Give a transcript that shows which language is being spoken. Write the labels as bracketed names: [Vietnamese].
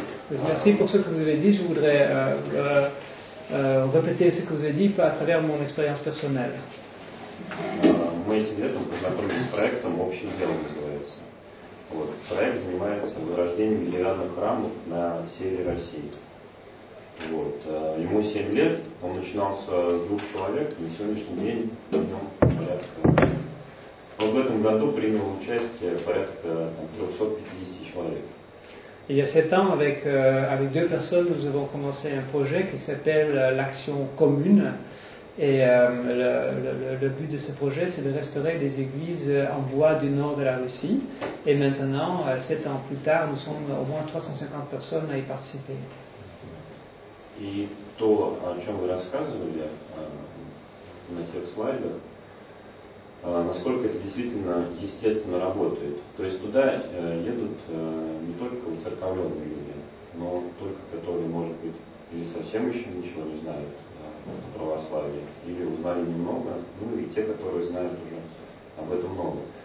[French] Merci pour ce que vous avez dit. Je voudrais répéter ce que vous avez dit à travers mon expérience personnelle. [Russian] Мы этим летом познакомились с проектом «Общее дело» называется. Вот. Проект занимается возрождением ветеранных храмов на севере России. Вот. Ему 7 лет, он начинался с 2 человек, на сегодняшний день в нем порядка. Он в этом году принял участие порядка 350 человек. [French] Il y a 7 ans, avec 2 personnes, nous avons commencé un projet qui s'appelle l'Action Commune. Et le but de ce projet, c'est de restaurer des églises en bois du nord de la Russie. Et maintenant, 7 ans plus tard, nous sommes au moins 350 personnes à y participer. [Russian] И то, о чем вы рассказывали на тех слайдах, насколько это действительно естественно работает. То есть туда едут не только уцерковленные люди, но только которые, может быть, или совсем еще ничего не знают о православии, или узнали немного, ну и те, которые знают уже об этом много.